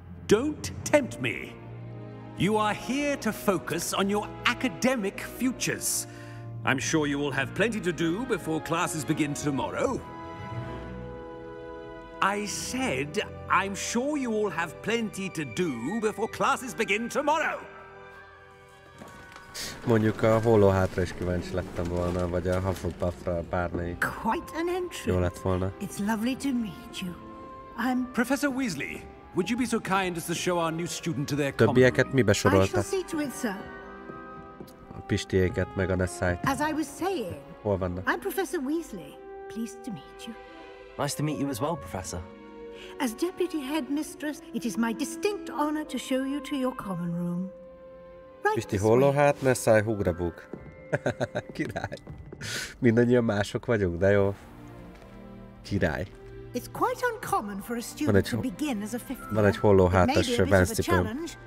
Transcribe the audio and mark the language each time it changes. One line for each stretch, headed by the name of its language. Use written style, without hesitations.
English: Don't tempt me. You are here to focus on your academic futures. I'm sure you will have plenty to do before classes begin tomorrow. I said, I'm sure you all have plenty to do before classes begin tomorrow.
Hungarian: Mondjuk a holóhátra is kíváncsi lettem volna, vagy a Hufflepuffra bármely.
English: Quite an entrance.
Hungarian: Jó lett volna.
English: It's lovely to meet you. I'm Professor Weasley. Would you be so kind as to show our new student to their
Hungarian: Többieket mibe sorolta?
English: I shall see to it, sir.
Hungarian: A Pistieket meg a Nessájt.
English: As I was saying.
Hungarian: Hol vannak?
English: I'm Professor Weasley. Pleased to meet you. Nice to meet you as well, Professor. As deputy headmistress, it is my distinct honor to show you to your common room. Right.
Hungarian: Pisti holóhát, Nessáj, hugrabug. Király. Mindannyian mások vagyunk, de jó. Király.
English: It's quite uncommon for a student to begin as a fifth year.
Hungarian: Van egy hollóhátas benszipőm.